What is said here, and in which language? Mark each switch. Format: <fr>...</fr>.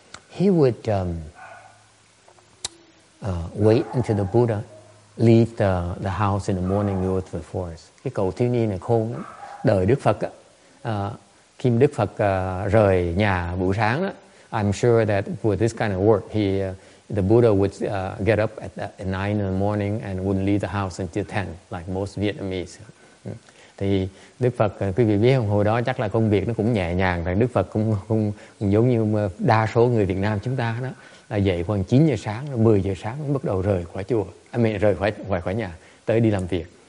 <en>He would wait until the Buddha leave the house in the morning, go to the forest.</en> <vi>Cái cậu thiếu niên này khôn, đợi Đức Phật. Khi Đức Phật rời nhà buổi sáng,</vi> <en>I'm sure that with this kind of work, the Buddha would get up at 9 in the morning and wouldn't leave the house until 10, like most Vietnamese.</en> <vi>Thì Đức Phật, quý vị biết không, hồi đó chắc là công việc nó cũng nhẹ nhàng, rằng Đức Phật cũng giống như đa số người Việt Nam chúng ta đó, là dậy khoảng 9 giờ sáng, 10 giờ sáng bắt đầu rời khỏi chùa, rời khỏi nhà, tới đi làm việc.</vi>